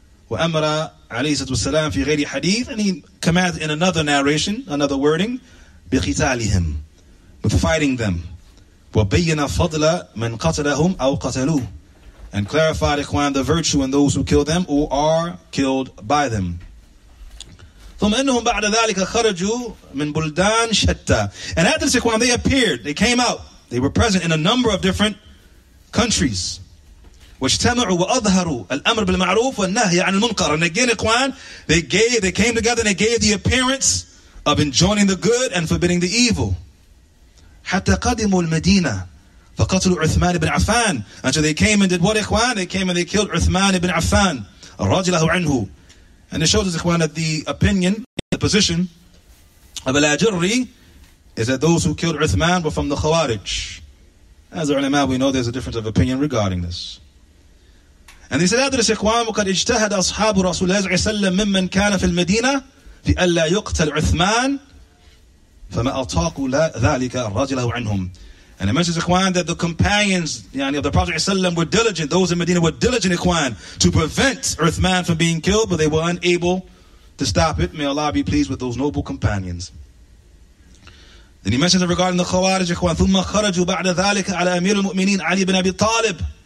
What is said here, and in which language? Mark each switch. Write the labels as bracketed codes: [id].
[ar] وَأَمَرَ عَلَيْهِ سَلَّمَ وَسَلَّمَ فِي غَيْرِ حَدِيثٍ. [en] And he commands in another narration, another wording, بِقِتَالِهِمْ, with fighting them. [ar] وَبَيَّنَ فَضْلَ مَنْ قَتَلَهُمْ أَوْ قَتَلُوا. [en] And clarified, Ikhwan, the virtue in those who kill them or are killed by them. [ar] ثم إنهم بعد ذلك خرجوا من بلدان شتى. [en] And after this, Ikhwan, they appeared. They came out. They were present in a number of different countries. [ar] واجتمعوا وأظهروا الأمر بالمعروف والنهي عن المنكر. [en] And again, Ikhwan, they came together and they gave the appearance of enjoining the good and forbidding the evil. [ar] حتى قدموا المدينة فقتلوا عثمان بن عفان. [en] And so they came and did what, Ikhwan? They came and they killed عثمان بن عفان رضي الله عنه. And it shows us, Ikhwan, that the opinion, the position of Al-Ajri is that those who killed Uthman were from the Khawarij. As the ulama, we know there's a difference of opinion regarding this. And he said, after this, Ikhwan, [ar] وَقَدْ اجْتَهَدَ أَصْحَابُ رَسُولَ اللَّهِ عَلَيْهِ وَسَلَّمَ مِمَّنْ كَانَ فِي الْمَدِينَةِ فِيَلَّا يُقْتَلْ عُثْمَانِ فَمَا أَطَاقُوا ذَلِكَ رَجِلَهُ عَنْهُمْ. [en] And it mentions, Ikhwan, that the companions of the Prophet ﷺ were diligent, those in Medina were diligent, Ikhwan, to prevent Uthman from being killed, but they were unable to stop it. May Allah be pleased with those noble companions. Then he mentions it regarding the Khawarij, Ikhwan. [ar] ثُمَّ خَرَجُوا بَعْدَ ذَلِكَ عَلَى أَمِيرُ الْمُؤْمِنِينَ عَلِي بِنْ أَبِي طَالِبٍ.